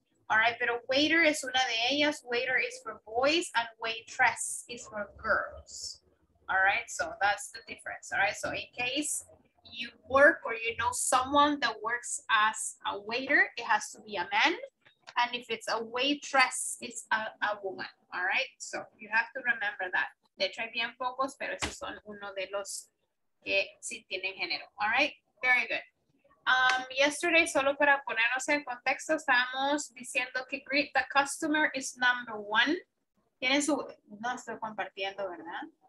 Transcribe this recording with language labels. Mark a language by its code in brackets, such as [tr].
[es] All right, pero waiter es una de ellas. [en] Waiter is for boys and waitress is for girls. All right, so that's the difference. All right, so in case you work or you know someone that works as a waiter, it has to be a man. And if it's a waitress, it's a woman. All right, so you have to remember that. [es] De hecho, hay bien pocos, pero esos son uno de los que sí tienen género. [en] All right, very good. Yesterday, [es] solo para ponernos en contexto, estábamos diciendo que [en] greet the customer is number one. [es] Tienen su... No estoy compartiendo, ¿verdad?